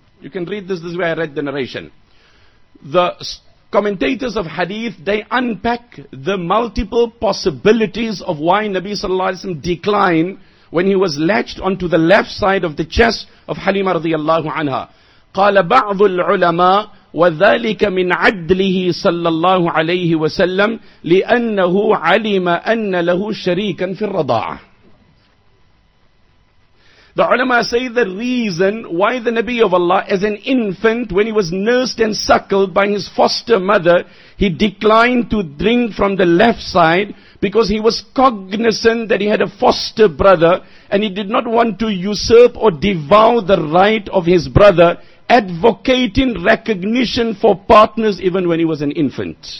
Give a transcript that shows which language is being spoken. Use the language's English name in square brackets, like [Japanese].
[English] You can read this is where I read the narration. The commentators of hadith, they unpack the multiple possibilities of why Nabi sallallahu alayhi wasallam declined when he was latched onto the left side of the chest of Halima radiyallahu anha. [Arabic] قال بعض العلماء وذلك من عدله صلى الله عليه وسلم لأنه علم أن له شريكا في الرضاعة. [English] The ulama say the reason why the Nabi of Allah, as an infant, when he was nursed and suckled by his foster mother, he declined to drink from the left side, because he was cognizant that he had a foster brother, and he did not want to usurp or devour the right of his brother, advocating recognition for partners even when he was an infant.